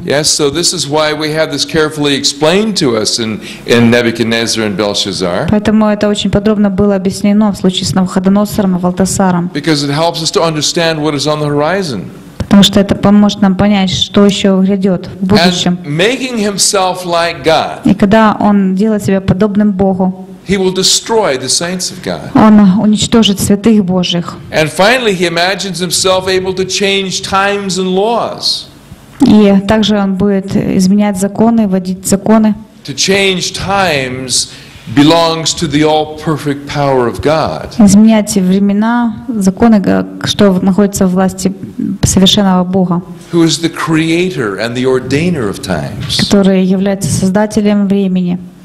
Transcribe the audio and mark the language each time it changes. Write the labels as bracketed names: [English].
[English] Yes, so this is why we have this carefully explained to us in Nebuchadnezzar and Belshazzar. [Russian] Поэтому это очень подробно было объяснено в случае с Навуходоносором и Валтасаром. [English] Because it helps us to understand what is on the horizon. [Russian] Потому что это поможет нам понять, что еще грядет в будущем. [English] And making himself like God, [Russian] и когда он делает себя подобным Богу, [English] he will destroy the saints of God. [Russian] Он уничтожит святых Божьих. [English] And finally he imagines himself able to change times and laws. [Russian] И также он будет изменять законы, вводить законы. [English] To change times belongs to the all-perfect power of God. [Russian] Изменять времена, законы, что находится в власти совершенного Бога. [English] Who is the creator and the ordainer of times? [Russian] Который является создателем времени.